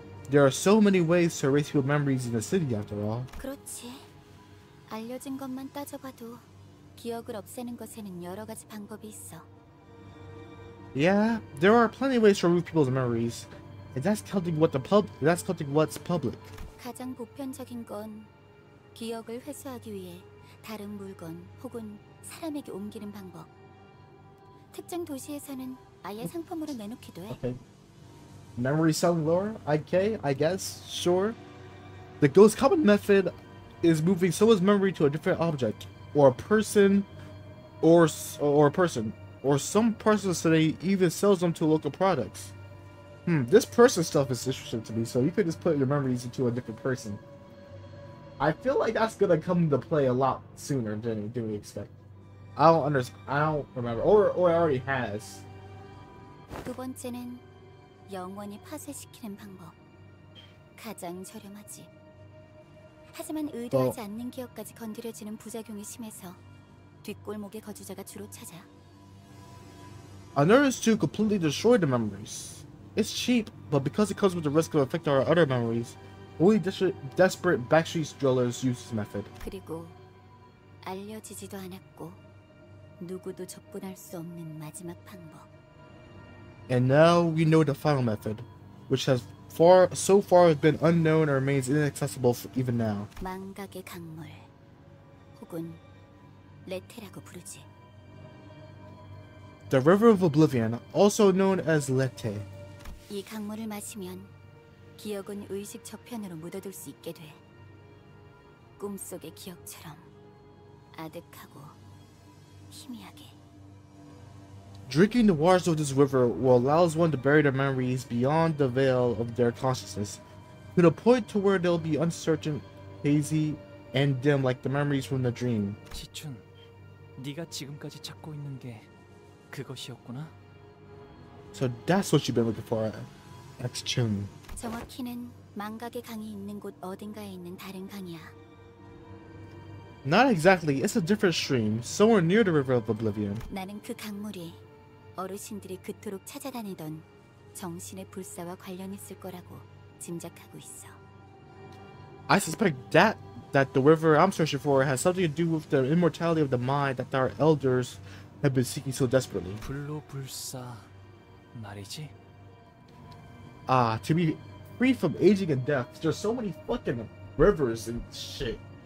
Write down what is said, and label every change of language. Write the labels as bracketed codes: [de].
[en] There are so many ways to erase people's memories in the city, after all. [ko] 그렇지. 알려진 것만 따져봐도 기억을 없애는 것에는 여러 가지 방법이 있어. [en] Yeah, there are plenty of ways to remove people's memories, and that's counting what the pub—that's counting what's public. [ko] 가장 보편적인 건 기억을 회수하기 위해 다른 물건 혹은 사람에게 옮기는 방법. 특정 도시에서는 아예 상품으로 내놓기도 해. [en] Okay. Memory selling lore? Okay, I guess. Sure. The most common method is moving someone's memory to a different object, or a person, or some person so they even sells them to local products. This person stuff is interesting to me, so you could just put your memories into a different person. I feel like that's gonna come to play a lot sooner than we expect. I don't remember. Or it already has. [ko] 두 번째는 영원히 파쇄시키는 방법. 가장 저렴하지. 하지만 의도하지 않는 기억까지 건드려지는 부작용이 심해서 뒷골목의 거주자가 주로 찾아. [en] Another is to completely destroy the memories. It's cheap, but because it comes with the risk of affecting our other memories, only desperate backstreet drillers use this method. [ko] 그리고 알려지지도 않았고 누구도 접근할 수 없는 마지막 방법. [en] And now we know the final method, which has so far been unknown and remains inaccessible even now. [ko] 망각의 강물 혹은 레테라고 부르지. [en] The River of Oblivion, also known as Lethe. [ko] 이 강물을 마시면 기억은 의식 저편으로 묻어들 수 있게 돼. 꿈속의 기억처럼 아득하고 희미하게. [en] Drinking the waters of this river will allow one to bury their memories beyond the veil of their consciousness, to the point to where they'll be uncertain, hazy, and dim like the memories from the dream. [ko] Chichun, 네가 지금까지 찾고 있는 게 그것이었구나. [en] So that's what you've been looking for, X-Chun. [ko] 정확히는 망각의 강이 있는 곳 어딘가에 있는 다른 강이야. [en] Not exactly. It's a different stream, somewhere near the River of Oblivion. [ko] 나는 그 강물이 어르신들이 그토록 찾아다니던 정신의 불사와 관련했을 거라고 짐작하고 있어. [en] I suspect that the river I'm searching for has something to do with the immortality of the mind that our elders have been seeking so desperately. [ko] 불로 불사 말이지? [en] Ah, to be free from aging and death. There's so many fucking rivers and shit.